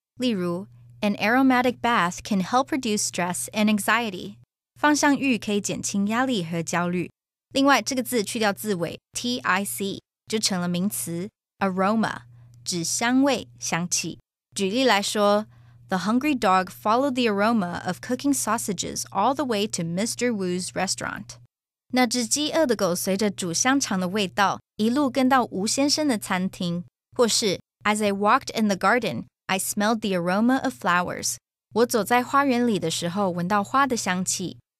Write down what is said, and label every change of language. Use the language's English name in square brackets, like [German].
[Chinese] 例如 [English] ,an aromatic bath can help reduce stress and anxiety. [Chinese] 芳香浴可以减轻压力和焦虑。另外，这个字去掉字尾 ,tic, 就成了名词 aroma, 指香味、香气。举例来说 [English] The hungry dog followed the aroma of cooking sausages all the way to Mr. Wu's restaurant. [Chinese] 那只饥饿的狗随着煮香肠的味道一路跟到吴先生的餐厅。或是 [English] As I walked in the garden, I smelled the aroma of flowers. [Chinese] 我走在花园里的时候闻到花的香气。